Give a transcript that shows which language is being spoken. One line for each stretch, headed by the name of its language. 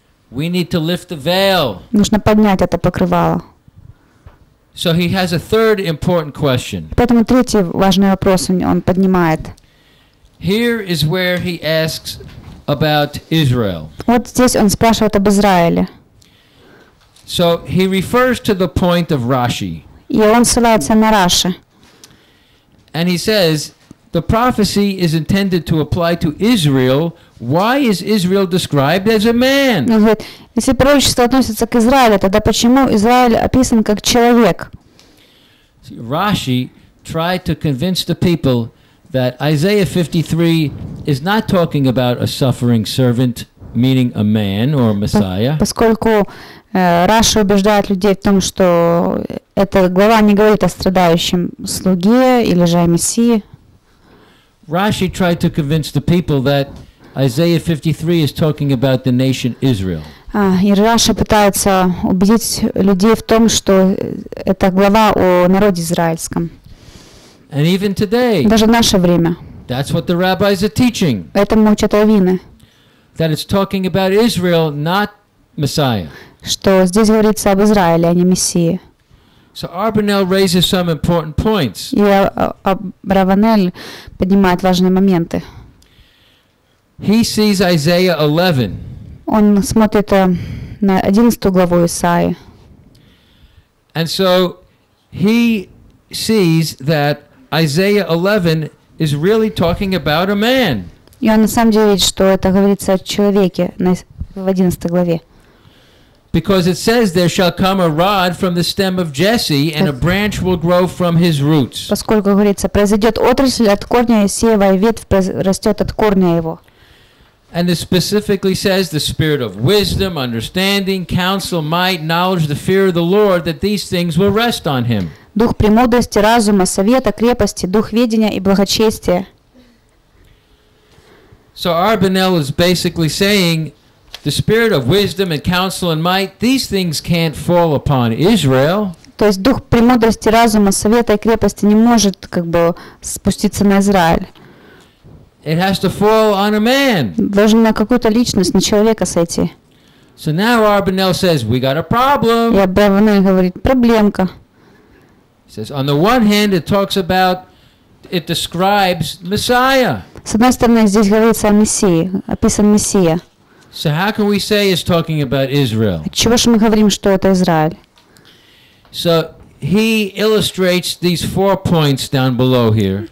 English: We need to lift the veil.
Russian: Нужно поднять это покрывало.
English: So he has a third important question.
Russian: Поэтому третий важный вопрос он поднимает.
English: Here is where he asks about Israel.
Russian: Вот здесь он спрашивает об Израиле.
English: So he refers to the point of Rashi.
Russian: И он ссылается на Раши.
English: And he says, the prophecy is intended to apply to Israel. Why is Israel described as a man?
Russian: Он говорит, если пророчество относится к Израилю, тогда почему Израиль описан как человек?
English: See, Rashi tried to convince the people that Isaiah 53 is not talking about a suffering servant, meaning a man or a Messiah.
Russian: Поскольку Раши убеждает людей в том, что эта глава не говорит о страдающем слуге или же о Мессии.
English: Rashi tried to convince the people that Isaiah 53 is talking about the nation Israel.
Russian: И Раши пытается убедить людей в том, что это глава о народе израильском.
English: And even today,
Russian: даже в наше время,
English: that's what the rabbis are teaching,
Russian: этому учат раввины,
English: that it's talking about Israel, not Messiah.
Russian: Что здесь говорится об Израиле, а не Мессии.
English: So Arbonel raises some important points.
Russian: И Арбонель поднимает важные моменты.
English: He sees Isaiah 11.
Russian: Он смотрит на 11 главу Исаии.
English: And so he sees that Isaiah 11 is really talking about a man.
Russian: И он на самом деле видит, что это говорится о человеке в 11 главе.
English: Because it says there shall come a rod from the stem of Jesse and a branch will grow from his roots.
Russian: Поскольку говорится, произойдёт отрасль от корня Иессеева и ветвь растёт от корня его.
English: And it specifically says the spirit of wisdom, understanding, counsel, might, knowledge, the fear of the Lord, that these things will rest on him.
Russian: Дух премудрости, разума, совета, крепости, дух ведения и благочестия.
English: So Arbonel is basically saying the spirit of wisdom and counsel and might, these things can't fall upon Israel.
Russian: То есть дух премудрости, разума, совета и крепости не может как бы спуститься на Израиль.
English: It has to fall on a man.
Russian: Должен на какую-то личность, на человека сойти.
English: So now Arbonel says, we got a problem.
Russian: И Арбонель говорит, проблемка.
English: He says, on the one hand, it talks about, it describes Messiah.
Russian: С одной стороны, здесь говорится о Мессии, описан Мессия.
English: So how can we say it's talking about Israel?
Russian: Отчего же мы говорим, что это Израиль?
English: So he illustrates these four points down below here.